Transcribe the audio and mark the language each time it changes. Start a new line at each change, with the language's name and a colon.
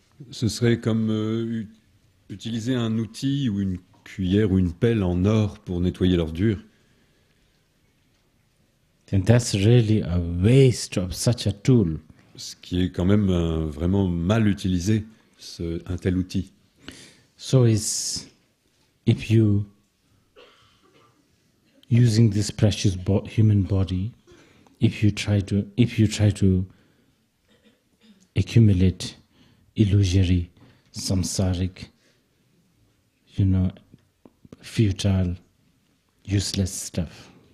French: Ce serait comme utiliser un outil ou une cuillère ou une pelle en or pour nettoyer l'ordure.
English: Then that's really a waste of such a tool.
French: Ce qui est quand même vraiment mal utilisé, un tel outil.
English: So is if you using this precious human body, if you try to accumulate illusory, samsaric, you know, futile, useless stuff.